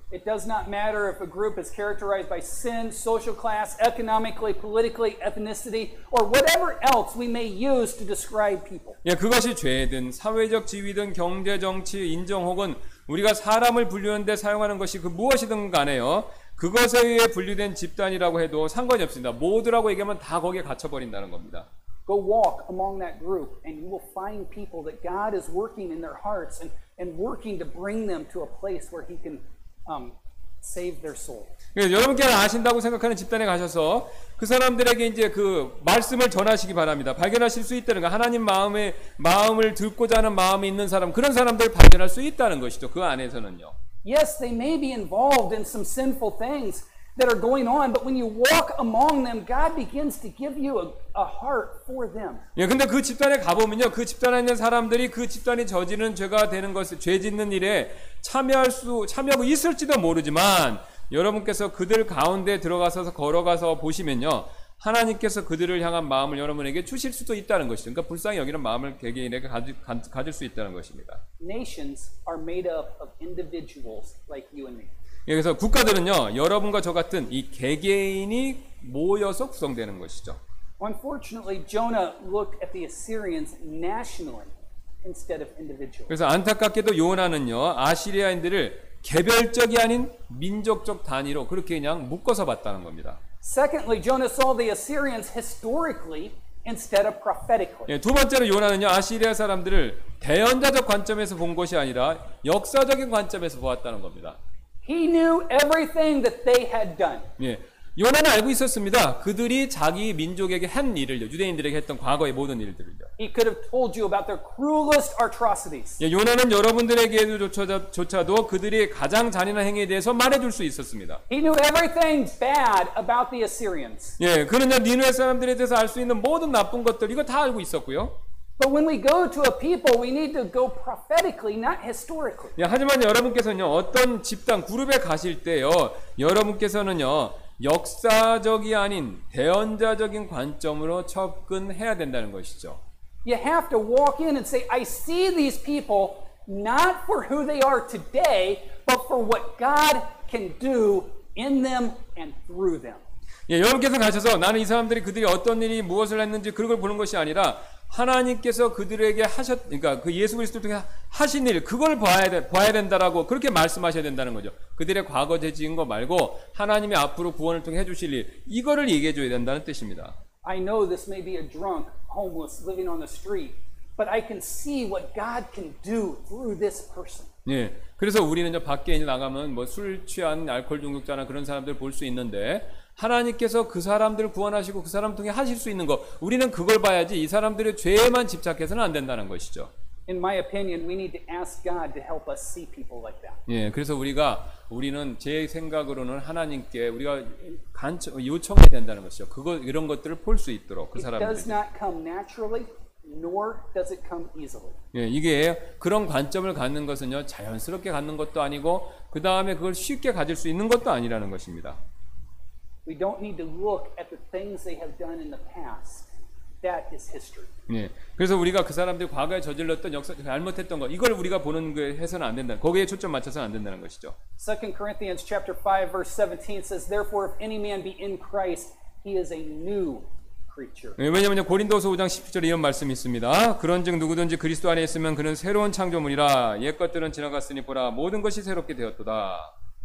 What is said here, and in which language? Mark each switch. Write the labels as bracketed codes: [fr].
[en] It does not matter if a group is characterized by sin, social class, economically, politically, ethnicity, or whatever else we may use to describe people. [ko] 예, 그것이 죄든 사회적 지위든 경제 정치 인종 혹은 우리가 사람을 분류하는데 사용하는 것이 그 무엇이든 간에요. 그것에 의해 분류된 집단이라고 해도 상관이 없습니다. 모두라고 얘기하면 다 거기에 갇혀 버린다는 겁니다. [en] Go walk among that group and you will find people that God is working in their hearts and working to bring them to a place where he can save their soul. [ko] 예, 여러분께서 아신다고 생각하는 집단에 가셔서 그 사람들에게 이제 그 말씀을 전하시기 바랍니다. 발견하실 수 있다는 거. 하나님 마음에 마음을 듣고자 하는 마음이 있는 사람 그런 사람들을 발견할 수 있다는 것이죠. 그 안에서는요. [en] Yes, they may be involved in some sinful things that are going on, but when you walk among them, God begins to give you a heart for them. [ko] 예, 근데 그 집단에 가보면요, 그 집단에 있는 사람들이 그 집단이 저지르는 죄가 되는 것을 죄 짓는 일에 참여하고 있을지도 모르지만 여러분께서 그들 가운데 들어가서 걸어가서 보시면요, 하나님께서 그들을 향한 마음을 여러분에게 주실 수도 있다는 것이죠. 그러니까 불쌍히 여기는 마음을 개개인에게 가질 수 있다는 것입니다. [en] Nations are made up of individuals like you and me. [ko] 그래서 국가들은요, 여러분과 저 같은 이 개개인이 모여서 구성되는 것이죠. [en] Unfortunately, Jonah looked at the Assyrians nationally instead of individually. [ko] 그래서 안타깝게도 요나는요, 아시리아인들을 개별적이 아닌 민족적 단위로 그렇게 그냥 묶어서 봤다는 겁니다. [en] Secondly, Jonah saw the Assyrians historically instead of prophetically. [ko] 예, 두 번째로 요나는요, 아시리아 사람들을 대연자적 관점에서 본 것이 아니라 역사적인 관점에서 보았다는 겁니다. [en] He knew everything that they had done. [ko] 예, 요나는 알고 있었습니다. 그들이 자기 민족에게 한 일을요, 유대인들에게 했던 과거의 모든 일들을요. [en] He could have told you about their cruelest atrocities. [ko] 예, 요나는 여러분들에게조차도 그들이 가장 잔인한 행위에 대해서 말해줄 수 있었습니다. [en] He knew everything bad about the Assyrians. [ko] 예, 그는요, 니느웨 사람들에 대해서 알 수 있는 모든 나쁜 것들 이거 다 알고 있었고요. [en] But when we go to a people, we need to go prophetically, not historically. [ko] 예, 하지만 여러분께서는요, 어떤 집단 그룹에 가실 때요, 여러분께서는요, 역사적이 아닌 대언자적인 관점으로 접근해야 된다는 것이죠. [en] You have to walk in and say, I see these people not for who they are today, but for what God can do in them and through them. [ko] 예, 여러분께서 가셔서 나는 이 사람들이 그들이 어떤 일이 무엇을 했는지 그걸 보는 것이 아니라 하나님께서 그들에게 그러니까 그 예수 그리스도를 통해 하신 일 그걸 봐야 된다라고 그렇게 말씀하셔야 된다는 거죠. 그들의 과거 죄 지은 거 말고 하나님이 앞으로 구원을 통해 해주실 일 이거를 얘기해 줘야 된다는 뜻입니다. [en] I know this may be a drunk homeless living on the street, but I can see what God can do through this person. [ko] 예, 그래서 우리는 이제 밖에 나가면 뭐 술 취한 알코올 중독자나 그런 사람들 볼 수 있는데 하나님께서 그 사람들을 구원하시고 그 사람 통해 하실 수 있는 것 우리는 그걸 봐야지 이 사람들의 죄에만 집착해서는 안 된다는 것이죠. [en] In my opinion, we need to ask God to help us see people like that. [ko] 예, 그래서 우리는 제 생각으로는 하나님께 우리가 요청해야 된다는 것이죠. 이런 것들을 볼 수 있도록 그 사람들. [en] It does not come naturally, nor does it come easily. [ko] 예, 이게 그런 관점을 갖는 것은요 자연스럽게 갖는 것도 아니고 그 다음에 그걸 쉽게 가질 수 있는 것도 아니라는 것입니다. [en] We don't need to look at the things they have done in the past. That is history. [ko] 예, 그래서 우리가 그 사람들이 과거에 저질렀던 역사 잘못했던 것 이걸 우리가 보는 게 해서는 안 된다. 거기에 초점 맞춰서는 안 된다는 것이죠. [en] 2 Corinthians chapter 5 verse 17 says, "Therefore, if any man be in Christ, he is a new creature." [ko] 예, 왜냐하면 고린도서 5장 17절에 이런 말씀이 있습니다. 그런즉 누구든지 그리스도 안에 있으면 그는 새로운 창조물이라 옛 것들은 지나갔으니 보라 모든 것이 새롭게 되었도다.